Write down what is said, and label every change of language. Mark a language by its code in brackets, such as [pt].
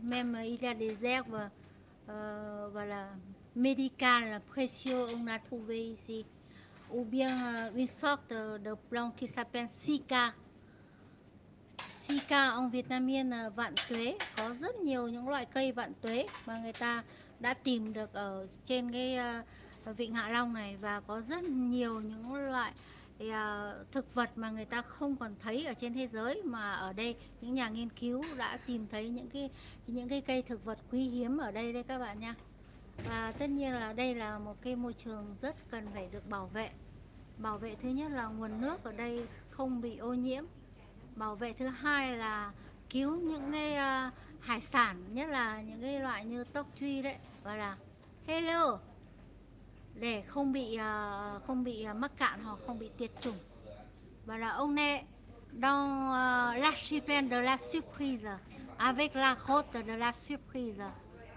[fr] Même il y a des herbes voilà, médicales précieuses qu'on a trouvées ici. Ou bien une sorte de plante qui s'appelle Sika. Sika en vietnamien vạn tuế. [vi] Có rất nhiều những loại cây vạn tuế mà người ta đã tìm được ở trên cái vịnh Hạ Long này. Và có rất nhiều những loại thực vật mà người ta không còn thấy ở trên thế giới. Mà ở đây những nhà nghiên cứu đã tìm thấy những cái cây thực vật quý hiếm ở đây đấy các bạn nha. Và tất nhiên là đây là một cái môi trường rất cần phải được bảo vệ. Bảo vệ thứ nhất là nguồn nước ở đây không bị ô nhiễm. Bảo vệ thứ hai là cứu những cái hải sản, nhất là những cái loại như tóc truy đấy, gọi là hello, để không bị mắc cạn hoặc không bị tuyệt chủng. Và là ông nè, [fr] dans l'archipel de la surprise, avec la côte de la surprise.